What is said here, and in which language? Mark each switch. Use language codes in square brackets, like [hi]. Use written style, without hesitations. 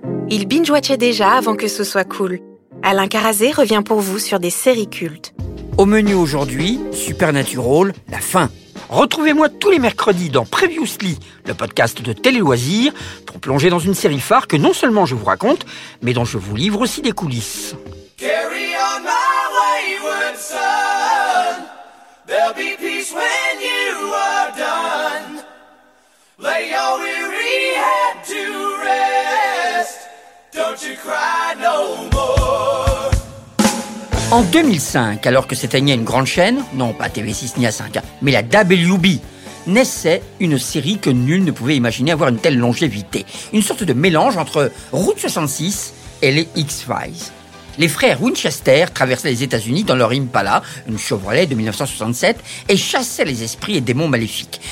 [fr] Il binge-watchait déjà avant que ce soit cool. Alain Carazé revient pour vous sur des séries cultes. Au menu aujourd'hui, Supernatural, la fin. Retrouvez-moi tous les mercredis dans Previously, le podcast de Télé-Loisirs, pour plonger dans une série phare que non seulement je vous raconte, mais dont je vous livre aussi des coulisses. [en] Carry on my wayward son, there'll be peace when you are done. Lay your weary head to rest, don't you cry no more. [fr] En 2005, alors que s'éteignait une grande chaîne, non pas TV6 ni A5, mais la WB, naissait une série que nul ne pouvait imaginer avoir une telle longévité. Une sorte de mélange entre Route 66 et les X-Files. Les frères Winchester traversaient les États-Unis dans leur Impala, une Chevrolet de 1967, et chassaient les esprits et démons maléfiques.